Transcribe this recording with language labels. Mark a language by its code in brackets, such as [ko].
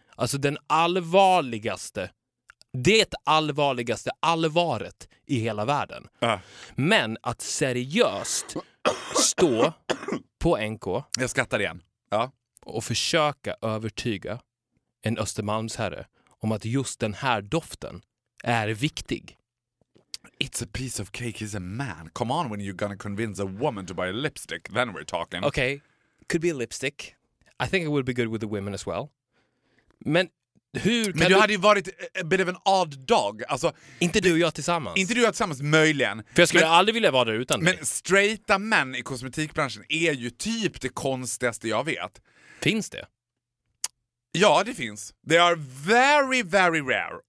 [sv] Alltså den allvarligaste, det allvarligaste allvaret i hela världen. Men att seriöst stå på NK. Jag skrattar igen. Ja. Och försöka övertyga en Östermalmsherre om att just den här doften är viktig. [en] It's a piece of cake, he's a man. Come on, when you're gonna convince a woman to buy a lipstick, then we're talking. Okay, could be a lipstick. I think it would be good with the women as well. [sv] Men hur kan Men du hade ju varit [en] a bit of an odd dog. [sv] Alltså, inte du och jag tillsammans. Inte du och jag tillsammans, möjligen. För jag skulle aldrig vilja vara där utan dig. Men straighta män i kosmetikbranschen är ju typ det konstigaste jag vet. Finns det? Ja, det finns. [en] They are very, very rare.